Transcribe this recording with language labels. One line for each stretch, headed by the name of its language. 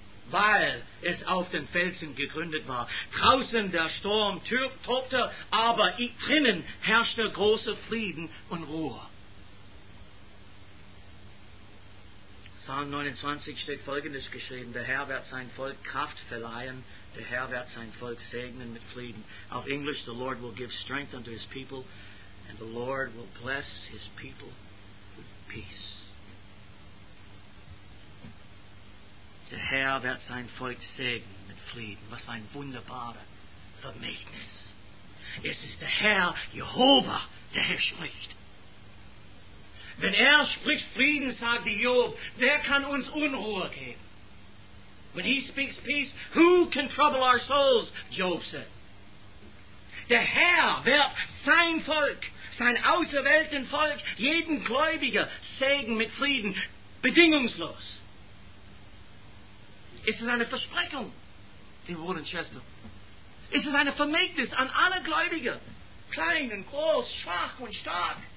German: weil es auf den Felsen gegründet war. Draußen der Sturm tobte, aber drinnen herrschte großer Frieden und Ruhe. Psalm 29 steht Folgendes geschrieben: Der Herr wird sein Volk Kraft verleihen, der Herr wird sein Volk segnen mit Frieden. Auf Englisch:
English: The Lord will give strength unto his people, and the Lord will bless his people with peace.
German: Der Herr wird sein Volk segnen mit Frieden. Was ein wunderbarer Vermächtnis. Es ist der Herr, Jehova, der hier spricht. Wenn er spricht Frieden, sagt Job, wer kann uns Unruhe geben?
English: When he speaks peace, who can trouble our souls? Job said.
German: Der Herr wird sein Volk, sein auserwählten Volk, jeden Gläubiger segnen mit Frieden, bedingungslos. Es ist eine Versprechung, die wurden Chester. Es ist eine Vermächtnis an alle Gläubiger, klein und groß, schwach und stark.